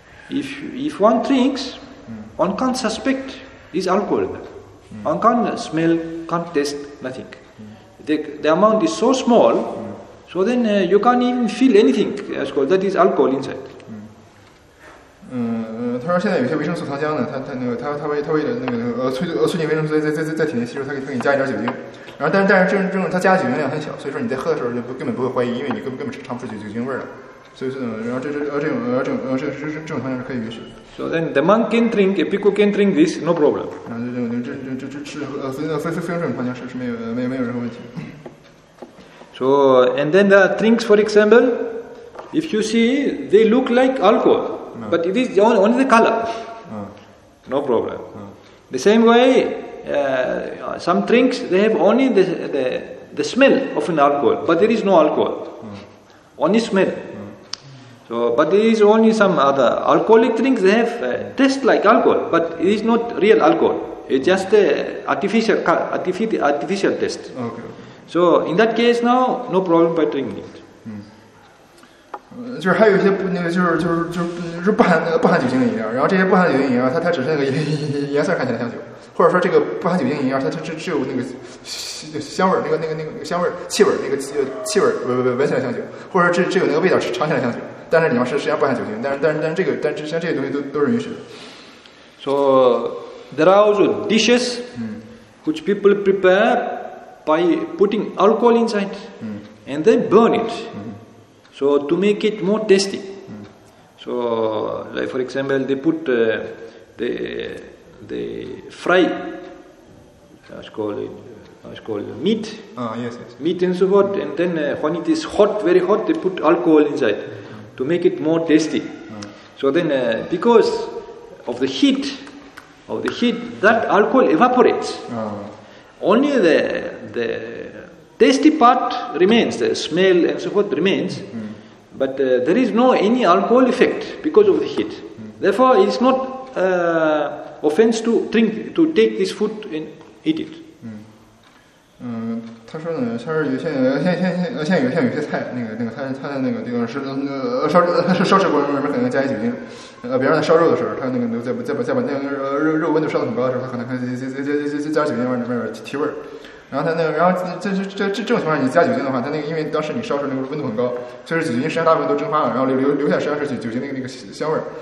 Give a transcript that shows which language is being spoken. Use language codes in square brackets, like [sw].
[en] So, if one drinks, one can't suspect is alcohol. One can't smell, can't taste, nothing. The amount is so small, so then you can't even feel anything as well. That is alcohol inside. [zh] 他说现在有些维生素糖浆呢，他为了促进维生素在体内吸收，他可以加一点酒精，然后但是正他加的酒精量很小，所以说你在喝的时候就根本不会怀疑，因为你根本尝不出酒精味儿了，所以说呢，然后这种糖浆是可以允许的。 [en] So then the man can drink, a pico can drink this, no problem. [zh] 然后这吃非用这种糖浆是没有任何问题。 [en] So and then the drinks, for example, if you see, they look like alcohol. But it is only the color. No problem. The same way, some drinks, they have only the smell of an alcohol, but there is no alcohol. Only smell. But there is only some other alcoholic drinks, they have taste like alcohol, but it is not real alcohol. It's just artificial taste. Okay. So in that case now, no problem by drinking it. [zh] 就是还有一些不那个就是不含酒精的饮料，然后这些不含酒精饮料，它只是那个颜色看起来像酒，或者说这个不含酒精饮料，它只有那个香味儿，那个香味儿气味儿，那个气味儿闻起来像酒，或者只有那个味道尝起来像酒，但是里面实际上不含酒精，但是像这些东西都是允许的。 [en] So there are also dishes which people prepare by putting alcohol inside and then burn it. So to make it more tasty. So, like for example, they put the fry. It's called meat. Yes. Meat and so forth. And then when it is hot, very hot, they put alcohol inside to make it more tasty. So then, because of the heat, that alcohol evaporates. Only the tasty part remains. The smell and so forth remains. But there is no any alcohol effect because of the heat. Therefore, it is not offense to drink, to take this food and eat it. [zh] 他说呢，他说现在有些菜，那个他的那个烧制过程中可能加一酒精，比方在烧肉的时候，他那个再把那个肉温度烧得很高的时候，他可能加酒精往里面提味儿。然后这种情况下你加酒精的话，它那个因为当时你烧出那个温度很高，就是酒精实际上大部分都蒸发了，然后留下实际上是酒精那个香味儿。